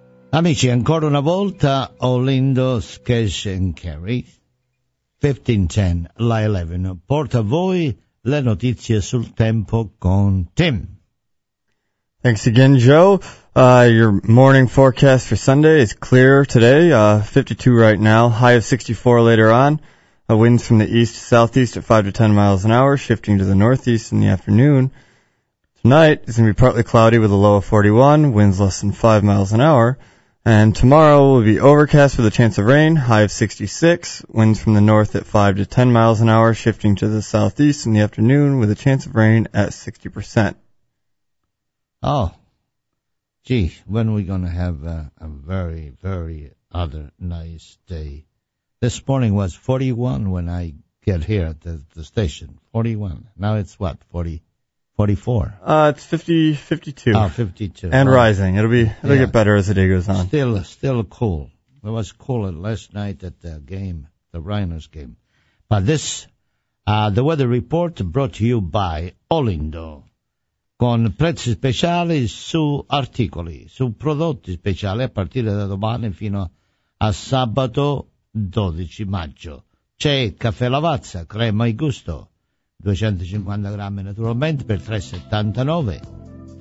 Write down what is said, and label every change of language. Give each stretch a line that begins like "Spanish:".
Italian: Amici, ancora una volta, Olindo Sketch and Carry, 1510, la 11, porta a voi le notizie sul tempo con Tim.
English: Thanks again, Joe. Your morning forecast for Sunday is clear today, 52 right now, high of 64 later on. Winds from the east to southeast at 5 to 10 miles an hour, shifting to the northeast in the afternoon. Tonight is going to be partly cloudy with a low of 41, winds less than 5 miles an hour. And tomorrow will be overcast with a chance of rain, high of 66, winds from the north at 5 to 10 miles an hour, shifting to the southeast in the afternoon with a chance of rain at 60%. Oh, gee, when are we going to have a very, very other nice day? This morning was 41 when I get here at the station, 41. Now it's what, 40? 44. It's 52. Oh, 52. And rising. It'll get better as the day goes on. Still cool. It was cool last night at the game, the Rhinos game. But this, the weather report brought to you by Olindo.
Italian: Con prezzi speciali su articoli, su prodotti speciali a partire da domani fino a sabato 12 maggio. C'è caffè Lavazza, crema e gusto. 250 grammi naturalmente per 3,79.